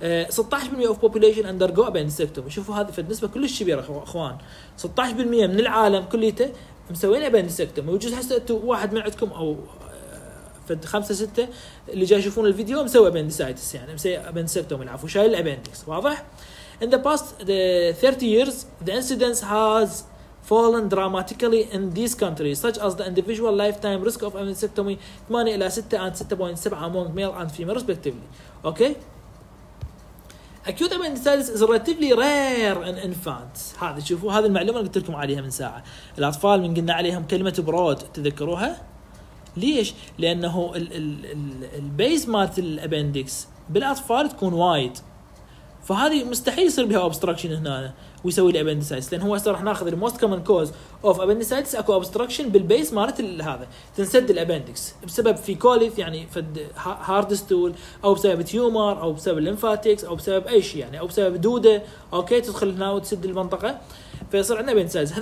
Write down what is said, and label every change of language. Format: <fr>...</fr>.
<en>16% of population undergo appendicectomy.</en> <ar>شوفوا هذه في النسبة كلش كبيرة أخوان، 16% من العالم كليته مسوين appendicectomy. وجزء حسنا أنتوا واحد من عندكم أو في 5-6 اللي جاي يشوفون الفيديو مسوي appendicitis، يعني مسوي appendicectomy العفو شايل appendix واضح.</ar> <en>In the past the 30 years the incidence has fallen dramatically in these countries such as the individual lifetime risk of appendicectomy 8 إلى 6 and 6.7 among male and female respectively. Okay. acute appendicitis is relatively rare in infants.</en> <ar>هذا شوفوا هذه المعلومة اللي قلت لكم عليها من ساعة. الأطفال من قلنا عليهم كلمة broad تذكروها ليش؟ لأنه البيز مات الأبندكس بالأطفال تكون وايد، فهذه مستحيل يصير بها obstruction هنا ويسوي الأبندسايتس، لأن هو أصلا راح نأخذ</ar> <en>the most common cause of appendicitis</en> <ar>أكو obstruction بالبيز مارت هذا تنسد الأبندكس بسبب فيكوليث يعني فد هاردست تول أو بسبب تيومر أو بسبب الليمفاتيكس أو بسبب أي شيء يعني أو بسبب دودة أوكي تدخل هنا وتسد المنطقة فيصير عندنا أبندسايتس.</ar>